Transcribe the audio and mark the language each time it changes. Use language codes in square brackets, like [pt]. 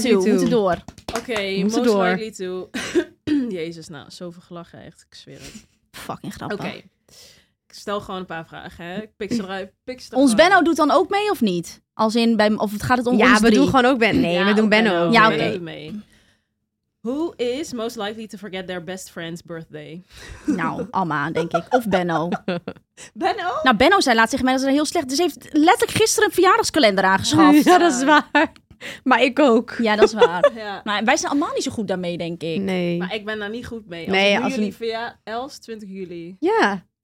[nl] to. We moeten door. Oké, okay, most door. Likely to. Jezus, nou, zoveel gelachen echt. Ik zweer het. Fucking grappig. Oké, okay. Ik stel gewoon een paar vragen. Hè. Ik pik ze eruit. Pik ze eruit. Ons Benno doet dan ook mee of niet? Als in, bij, of gaat het om ja, ons drie? Ja, we doen gewoon ook Benno. Nee, ja, we doen Benno ook ja, okay. mee. [en] Who is most likely to forget their best friend's birthday? [nl] Nou, Amma, denk ik. Of Benno. Benno? Nou, Benno zei laatst tegen mij dat ze heel slecht... Dus heeft letterlijk gisteren een verjaardagskalender aangeschaft. Ja, dat is waar. Maar ik ook. Ja, dat is waar. Ja. Maar wij zijn allemaal niet zo goed daarmee, denk ik. Nee. Maar ik ben daar niet goed mee. Als nee, als jullie... Via Els, 20 juli. Ja.